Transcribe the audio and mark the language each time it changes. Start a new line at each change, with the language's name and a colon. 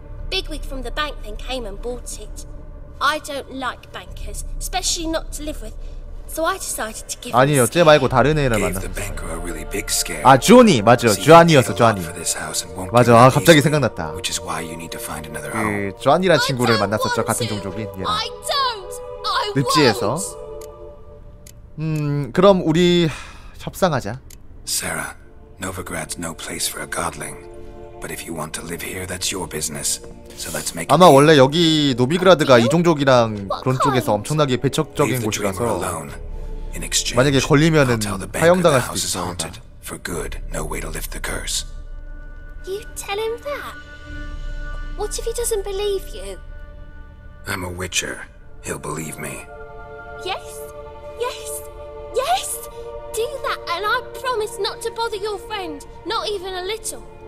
English: Bigwig from the bank then came and bought it. I don't like bankers, especially not to live with. So I decided to give.
Korean: 아니요, 쟤 말고 다른 애를 만났어. 아, 조니 맞죠? 주안이었어, 주안이. 맞아, 아, 갑자기 생각났다. 그 주안이란 친구를 만났었죠, 같은 종족인 얘랑. 늪지에서. 그럼 우리 협상하자.
English: Sarah, Novigrad's no place for a godling. But if you want to live here, that's your business. So let's make.
Korean: 아마 원래 여기 노비그라드가 이 종족이랑 그런 쪽에서 엄청나게 배척적인 곳이라서 만약에 걸리면은 파형당할 수도 있습니다.
English: For good, no way to lift the curse. You tell him that. What if he doesn't believe you? I'm a witcher. He'll believe me. Yes, yes, yes. Do that, and I promise not to bother your friend, not even a little.